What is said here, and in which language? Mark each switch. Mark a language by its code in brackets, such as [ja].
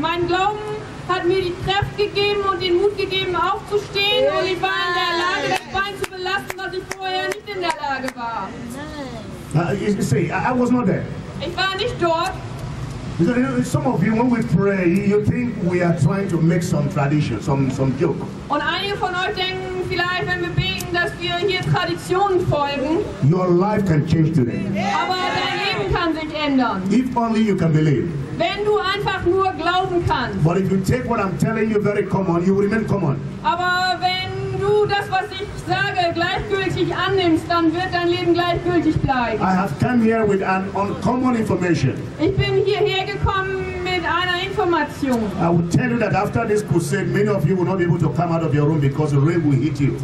[de] Mein Glauben hat mir die Kraft gegeben und den Mut gegeben, aufzustehen. Und ich war in der Lage, das Bein zu belasten, was ich vorher nicht in der Lage war. [en] I was not there. [de] Ich war nicht dort. [en] Some of you, when we pray, you think we are trying to make some tradition, some joke. [de] Und einige von euch denken vielleicht, wenn wir beten, dass wir hier Traditionen folgen. [en] Your life can change today. [de] Aber dein Leben kann sich ändern. [en] If only you can believe. [de] Wenn du einfach nur glauben kannst. [en] But if you take what I'm telling you very common, you remain common. [de] Aber wenn du das, was ich sage, gleichgültig annimmst, dann wird dein Leben gleichgültig bleiben. [en] I have come here with an uncommon information. [de] Ich bin hierher gekommen mit einer Information. [en] I will tell you that after this crusade, many of you will not be able to come out of your room because the rain will hit you.